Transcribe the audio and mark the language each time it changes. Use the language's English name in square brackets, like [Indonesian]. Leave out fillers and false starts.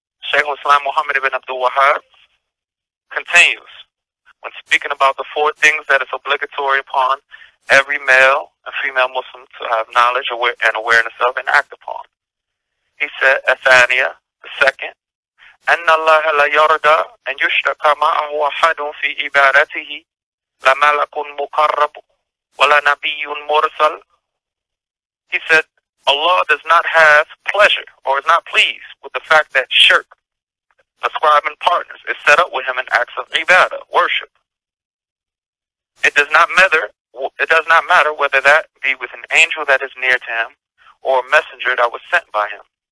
[English] Shaykh al-Islam Muhammad ibn Abdul Wahhab continues. When speaking about the four things that it's obligatory upon every male and female Muslim to have knowledge and awareness of and act upon. He said, Athaniya, the second, [Arabic] أن الله لا يرضى أن يشرك معه أحد في عبادته لا ملك مقرب ولا نبي مرسل. [English] He said, Allah does not have pleasure or is not pleased with the fact that shirk, ascribing partners, is set up with him in acts of ibadah, worship. It does not matter whether that be with an angel that is near to him or a messenger that was sent by him.